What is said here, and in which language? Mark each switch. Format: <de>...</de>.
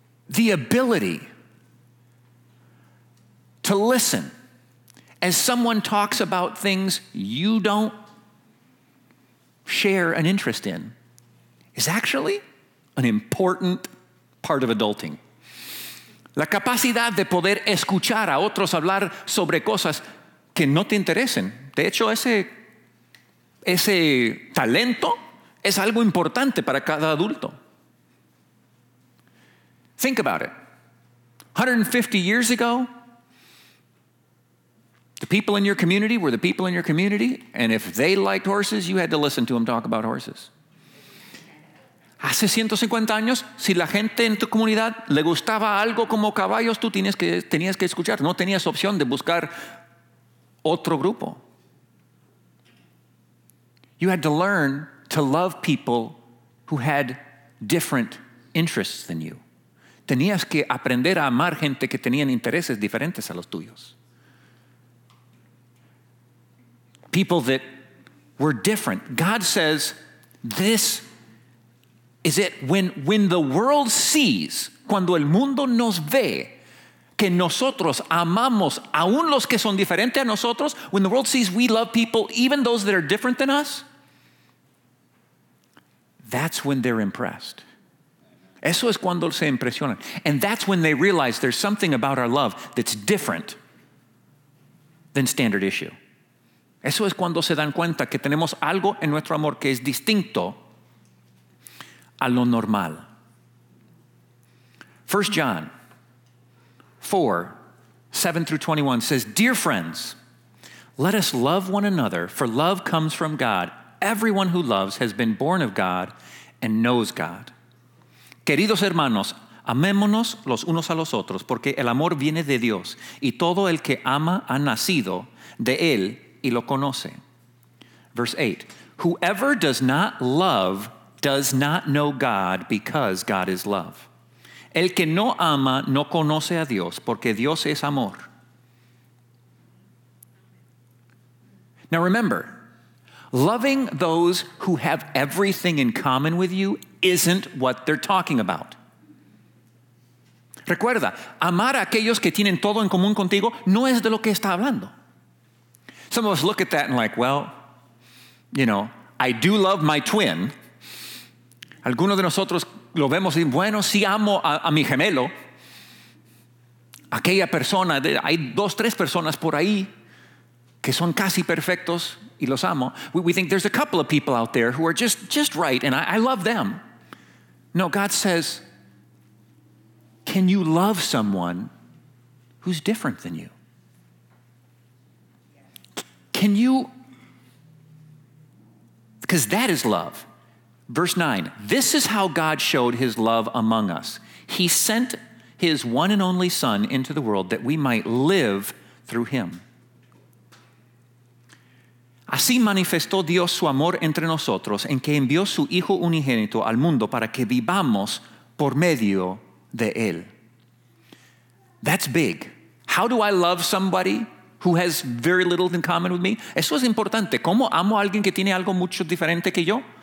<en>The ability to listen as someone talks about things you don't share an interest in is actually an important part of adulting.</en> <es>La capacidad de poder escuchar a otros hablar sobre cosas que no te interesen. De hecho, ese talento es algo importante para cada adulto.</es> <en>Think about it. 150 years ago, the people in your community were the people in your community, and if they liked horses, you had to listen to them talk about horses.</en> <es>Hace 150 años, si la gente en tu comunidad le gustaba algo como caballos, tú tenías que escuchar. No tenías opción de buscar otro grupo.</es> <en>You had to learn to love people who had different interests than you.</en> <es>Tenías que aprender a amar gente que tenían intereses diferentes a los tuyos.</es> <en>People that were different. God says, this is it. When the world sees,</en> <es>cuando el mundo nos ve, que nosotros amamos aún los que son diferentes a nosotros,</es> <en>when the world sees we love people, even those that are different than us, that's when they're impressed.</en> <es>Eso es cuando se impresionan.</es> <en>And that's when they realize there's something about our love that's different than standard issue.</en> <es>Eso es cuando se dan cuenta que tenemos algo en nuestro amor que es distinto a lo normal.</es> <en>1 John 4, 7 through 21 says, "Dear friends, let us love one another, for love comes from God. Everyone who loves has been born of God and knows God.</en> <es>Queridos hermanos, amémonos los unos a los otros, porque el amor viene de Dios, y todo el que ama ha nacido de él y lo conoce."</es> <en>Verse 8, "Whoever does not love does not know God, because God is love.</en> <es>El que no ama no conoce a Dios, porque Dios es amor."</es> <en>Now remember, loving those who have everything in common with you isn't what they're talking about.</en> <es>Recuerda, amar a aquellos que tienen todo en común contigo no es de lo que está hablando.</es> <en>Some of us look at that and like, well, you know, I do love my twin.</en> <es>Algunos de nosotros lo vemos y bueno, sí amo a mi gemelo. Aquella persona, hay dos, tres personas por ahí que son casi perfectos y los amo.</es> <en>We think there's a couple of people out there who are just right and I love them. No, God says, can you love someone who's different than you? Can you? Because that is love. Verse 9, "This is how God showed his love among us. He sent his one and only Son into the world that we might live through him.</en> <es>Así manifestó Dios su amor entre nosotros, en que envió su Hijo unigénito al mundo para que vivamos por medio de él."</es> <en>That's big. How do I love somebody who has very little in common with me?</en> <es>Eso es importante. ¿Cómo amo a alguien que tiene algo mucho diferente que yo?</es>